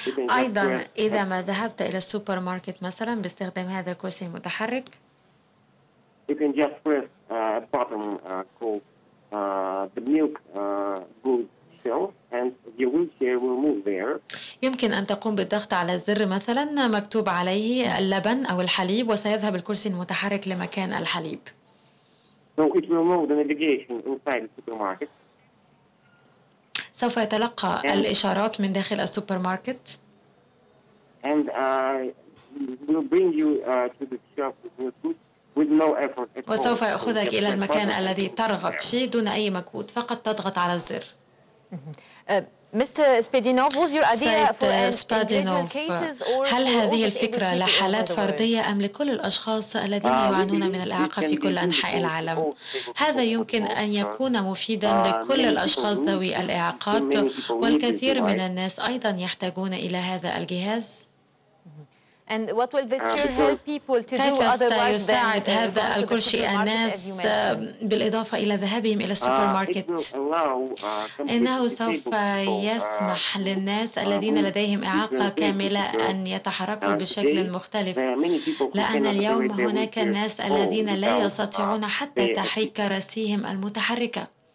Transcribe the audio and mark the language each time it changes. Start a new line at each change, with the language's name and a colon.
Arabic: أيضا إذا ما ذهبت إلى السوبر ماركت مثلا باستخدام هذا الكرسي المتحرك.
English: You can just press a button called the milk goods shelf, and your wheelchair will move there.
Arabic: يمكن أن تقوم بالضغط على زر مثلاً مكتوب عليه اللبن أو الحليب، وسيذهب الكرسي المتحرك لمكان الحليب.
English: So it will know the navigation inside the supermarket.
Arabic: سوف يتلقى الإشارات من داخل السوبرماركت.
English: And will bring you to the shelf with your goods. With no effort at all.
Arabic: وسوف يأخذك إلى المكان الذي ترغب فيه دون أي مجهود، فقط تضغط على الزر.
English: Mr. Spadinov, was your idea for individual cases or
Arabic: هل هذه الفكرة لحالات فردية أم لكل الأشخاص الذين يعانون من الإعاقة في كل أنحاء العالم؟ هذا يمكن أن يكون مفيداً لكل الأشخاص ذوي الإعاقات، والكثير من الناس أيضاً يحتاجون إلى هذا الجهاز.
English: And what will this chair help people to do otherwise than go to the supermarket, as you mentioned?
Arabic: بالإضافة إلى ذهابهم إلى السوبر ماركت. إنه سوف يسمح للناس الذين لديهم إعاقة كاملة أن يتحركوا بشكل مختلف. لأن اليوم هناك الناس الذين لا يستطيعون حتى تحريك كراسيهم المتحركة.